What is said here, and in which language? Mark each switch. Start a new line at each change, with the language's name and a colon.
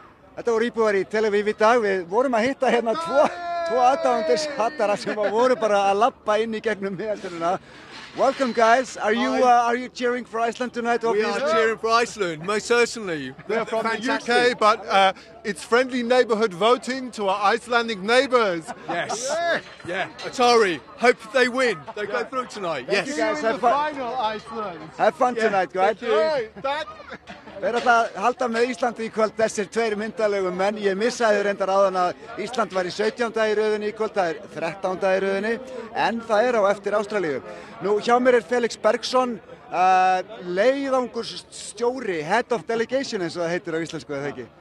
Icelandic: Þetta voru íbúar í Tel Aviv í dag. Við vorum að hitta hérna tvo aðdáendur hattara sem voru bara að labba inn í gegnum miðaldurina.
English: Welcome, guys. Are you cheering for Iceland tonight? Obviously? We are cheering for Iceland, most certainly. We are from the UK, but it's friendly neighbourhood voting to our Icelandic neighbours. Yes. Yeah. Atari, hope they win. They go through tonight. Thank You guys. Have fun. Final Iceland. Have fun tonight, guys. Thank you.
Icelandic: Þeir ætla að halda með Íslandi í kvöld þessir tveir myndalegu menn. Ég missaði þau reyndar áðan að Ísland var í 17. í röðinni í kvöld, það 13. í röðinni, en það á eftir Ástralíu. Nú, hjá mér Felix Bergson, leiðangursstjóri, head of delegation, eins og það heitir á íslensku, eða ekki?